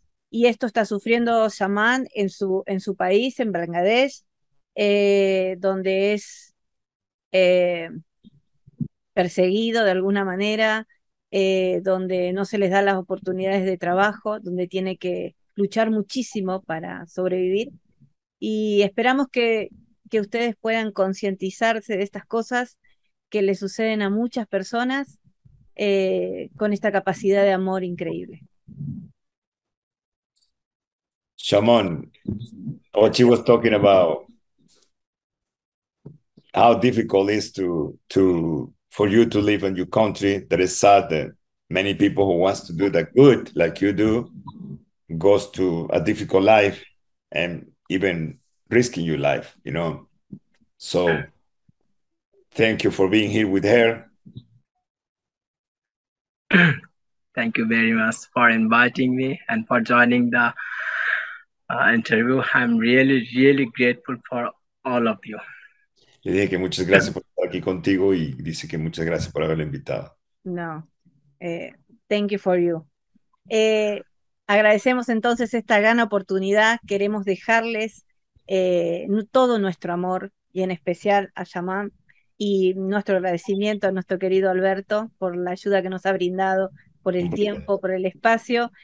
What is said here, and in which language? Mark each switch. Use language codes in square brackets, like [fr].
[es] Y esto está sufriendo Shaman en su país, en Bangladesh, donde es perseguido de alguna manera, donde no se les da las oportunidades de trabajo, donde tiene que luchar muchísimo para sobrevivir. Y esperamos que ustedes puedan concientizarse de estas cosas que le suceden a muchas personas con esta capacidad de amor increíble. [en] Shaman, what she was talking about, how difficult it is for you to live in your country. That is sad that many people who want to do the good like you do goes to a difficult life and even risking your life, you know. So thank you for being here with her. Thank you very much for inviting me and for joining the interview. I'm really, really grateful for all of you. [es] Le dije que muchas gracias por estar aquí contigo y dice que muchas gracias por haberlo invitado. [en] No, thank you for you. [es] Agradecemos entonces esta gran oportunidad. Queremos dejarles todo nuestro amor y en especial a Shaman y nuestro agradecimiento a nuestro querido Alberto por la ayuda que nos ha brindado, por el tiempo, por el espacio.